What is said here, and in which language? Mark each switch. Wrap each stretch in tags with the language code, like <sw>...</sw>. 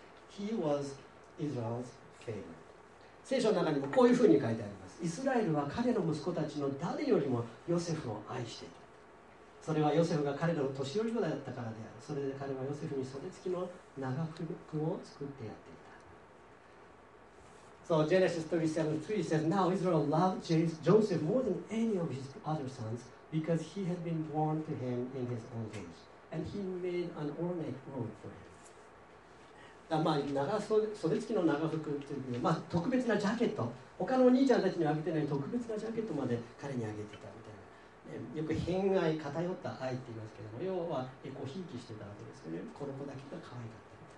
<en>He was Israel's favorite.</en> <ja>聖書の中にもこういうふうに書いてあります。イスラエルは彼の息子たちの誰よりもヨセフを愛していた。それはヨセフが彼らの年寄りだったからである。それで彼はヨセフに袖付きの長服を作ってやっていた。</ja> <en>So Genesis 37:3 says, Now Israel loved Joseph more than any of his other sons because he had been born to him in his old age. And he made an ornate robe for him.</en> <ja>だまあ長袖付きの長服というか、まあ、特別なジャケット。他のお兄ちゃんたちにあげてない特別なジャケットまで彼にあげていた。よく偏愛、偏った愛って言いますけども、要はエコひいきしてたわけですよね。この子だけが可愛かった。</ja>